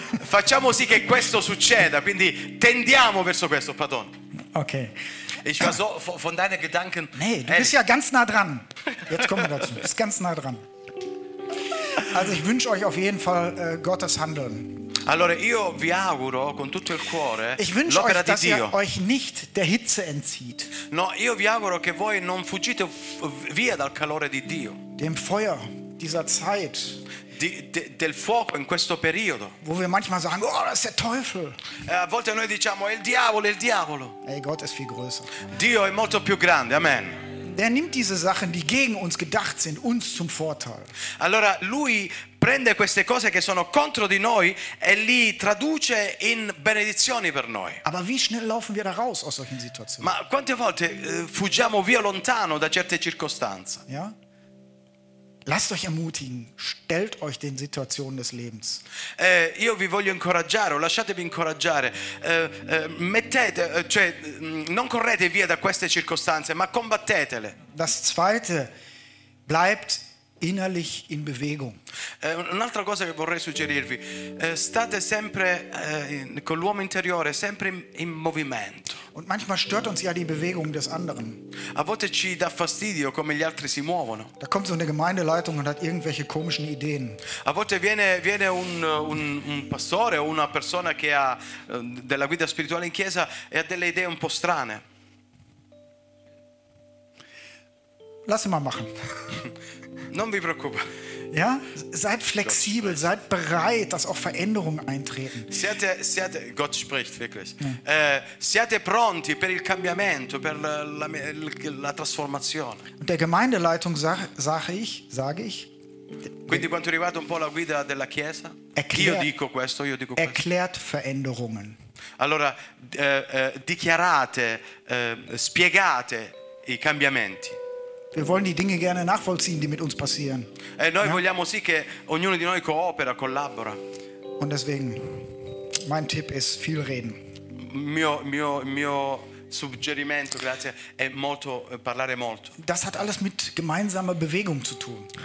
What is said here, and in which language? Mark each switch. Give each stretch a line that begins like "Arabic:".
Italian: Facciamo sì che questo succeda, quindi tendiamo verso questo, pardon. Okay.
German: Ich war so von deinen Gedanken. Nee, du bist ja ganz nah dran. Jetzt kommen wir dazu. Du bist ganz nah dran. Also ich wünsche euch auf jeden Fall Gottes Handeln.
Italian: Allora io vi auguro con tutto il cuore
German: ich wünsche euch, dass ihr euch nicht der Hitze entzieht.
Italian: No, io vi auguro che voi non fuggite via dal calore di Dio.
German: Dem Feuer dieser Zeit.
Italian: Del fuoco in questo periodo.
German: Wo wir manchmal sagen, oh, das ist der Teufel.
Italian: A volte noi diciamo, è il diavolo, è il diavolo.
German: Ey, Gott ist viel größer.
Italian: Dio è molto più grande, amen.
German: Der nimmt diese Sachen, die gegen uns gedacht sind, uns zum Vorteil.
Italian: Allora lui prende queste cose che sono contro di noi e li traduce in benedizioni per noi.
German: Aber wie schnell laufen wir da raus aus solchen Situationen?
Italian: Ma quante volte fuggiamo via lontano da certe circostanze?
German: Ja? Lasst euch ermutigen, stellt euch den Situationen des Lebens.
Italian: Io vi voglio incoraggiare, o lasciatevi incoraggiare. Mettete, cioè, non correte via da queste circostanze, ma combattetele.
German: Das zweite, bleibt innerlich in Bewegung.
Italian: Un'altra cosa che vorrei suggerirvi, state sempre con l'uomo interiore, sempre in movimento.
German: Und manchmal stört uns ja die Bewegung des anderen.
Italian: A volte ci dà fastidio come gli altri si muovono.
German: Da kommt so eine Gemeindeleitung und hat irgendwelche komischen Ideen.
Italian: A volte viene un pastore o una persona che ha della guida spirituale in chiesa e ha delle idee un po' strane.
German: Lass mal machen.
Italian: Non vi preoccupate.
German: Ja, seid flexibel, seid bereit, dass auch Veränderungen eintreten.
Italian: Siate,
German: Gott spricht wirklich. Ja.
Italian: Siate pronti per il cambiamento, per la trasformazione.
German: Und der Gemeindeleitung sage ich.
Italian: Quindi quanto riguarda un po' la guida della chiesa, io dico questo.
German: Erklärt Veränderungen.
Italian: Allora, dichiarate, spiegate i cambiamenti.
German: Wir wollen die Dinge gerne nachvollziehen, die mit uns passieren.
Italian: Noi vogliamo sì che ognuno di noi coopera, collabora.
German: Und deswegen, mein Tipp ist viel reden.
Italian: Mio suggerimento, grazie, è molto parlare molto.
German: Das hat alles mit gemeinsamer Bewegung zu tun.